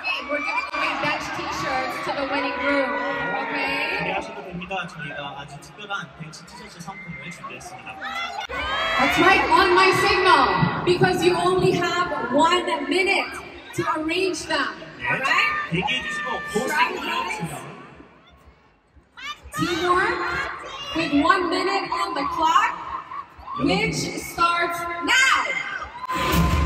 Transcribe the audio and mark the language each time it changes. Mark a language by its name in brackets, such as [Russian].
[English] We're giving away bench t-shirts to the winning group. Okay? [Korean] 안녕하세요. 저희가 아주 특별한 벤치 티셔츠 상품을 준비했습니다. [English] That's right, on my signal. Because you only have 1 minute to arrange them. Alright? [Korean] 얘기해 주시고 고생하셨습니다. [English] Teamwork with 1 minute on the clock, which starts now.